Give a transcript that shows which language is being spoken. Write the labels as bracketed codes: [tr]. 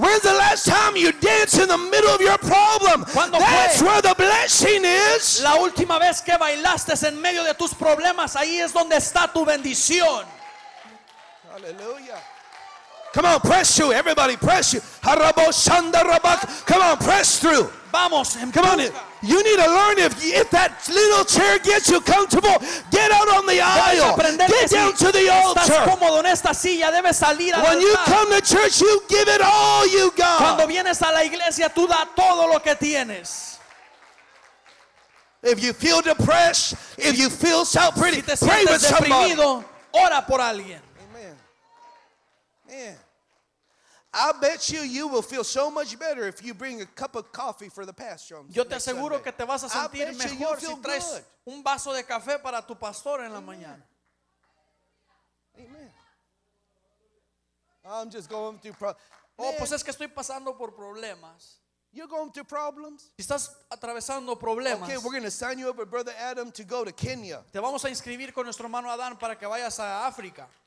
[en] When's the last time you danced in the middle of your problem? That's where the blessing is. [es] La última vez que bailaste en medio de tus problemas, ahí es donde está tu bendición. [en] Hallelujah. Come on, press through, everybody, press through. Harabo shanda rabak. Come on, press through. [es] Vamos, [en] come on. You need to learn if that little chair gets you comfortable, get out on the aisle. Get down to the altar. [es] Cómodo en esta silla, debes salir. [en] When you come to church, you give it all you got. [es] Cuando vienes a la iglesia, tú da todo lo que tienes. [en] If you feel depressed, if you feel so pretty, [es] si te sientes deprimido, [en] pray with somebody. [es] Ora por alguien. [en] Yeah. I bet you will feel so much better if you bring a cup of coffee for the pastor. [es] Yo te aseguro [en] Sunday. [es] Que te vas a sentir mejor [en] you [es] si traes [en] good. [es] Un vaso de café para tu pastor en la mañana. [en] Amen. I'm just going through problems. [es] Oh, pues es que estoy pasando por problemas. [en] You're going through problems? [es] Estás atravesando problemas. [en] Okay, we're going to sign you up with Brother Adam to go to Kenya. [es] Te vamos a inscribir con nuestro hermano Adán para que vayas a África.